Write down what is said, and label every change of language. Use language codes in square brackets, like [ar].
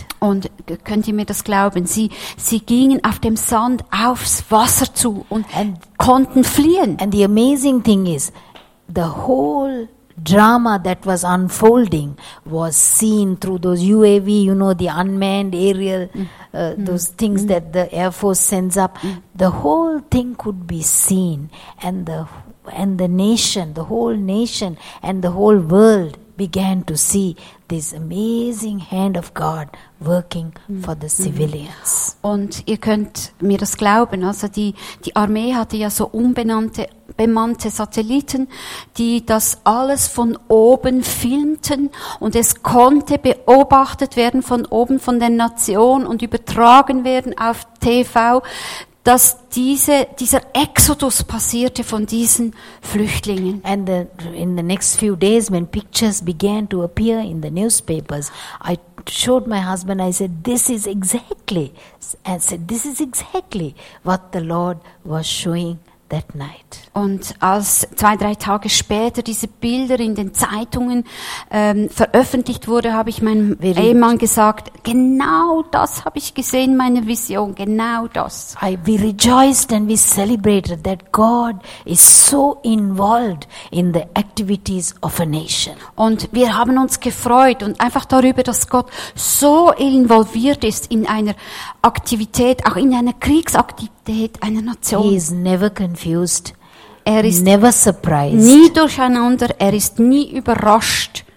[de] Und könnt ihr mir das glauben? Sie gingen auf dem Sand aufs Wasser zu und konnten fliehen. [en] And the amazing thing is, the whole drama that was unfolding was seen through those UAV, you know, the unmanned aerial, those things that the Air Force sends up. The whole thing could be seen, and the nation, the whole nation and the whole world began to see this amazing hand of God working for the civilians. [de] Und ihr könnt mir das glauben, also die Armee hatte ja so unbemannte Satelliten, die das alles von oben filmten, und es konnte beobachtet werden von oben von der Nation und übertragen werden auf TV, dass dieser Exodus passierte von diesen Flüchtlingen. [en] And in the next few days, when pictures began to appear in the newspapers, I showed my husband, I said, this is exactly what the Lord was showing that night. [de] Und als 2-3 Tage später diese Bilder in den Zeitungen veröffentlicht wurde, habe ich meinem Ehemann gesagt, genau das habe ich gesehen, meine Vision, genau das. [en] We rejoiced and we celebrated that God is so involved in the activities of a nation. [de] Und wir haben uns gefreut und einfach darüber, dass Gott so involviert ist in einer Aktivität, auch in einer Kriegsaktivität einer Nation. [en] He is never confused. [de] Er ist [en] never surprised. [de] Nie durcheinander, er ist nie überrascht.